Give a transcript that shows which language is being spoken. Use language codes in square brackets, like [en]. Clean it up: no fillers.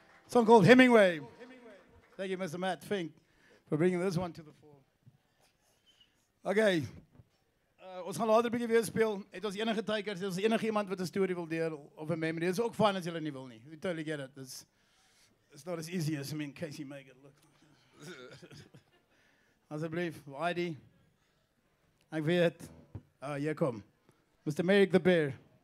[en] Song called Hemingway. Thank you, Mr. Matt Fink, for bringing this one to the fore. Okay. [af] Ons gaan later 'n bietjie weer speel. Het ons enige tyd as ons enige iemand wat 'n storie wil deel of 'n memory? Dis ook fyn as julle nie wil nie. [en] We totally get it. It's not as easy as, I mean, Casey make it look. [af] Asseblief, Heidi. Ek weet. Hier kom. Mr. Merrick the Bear.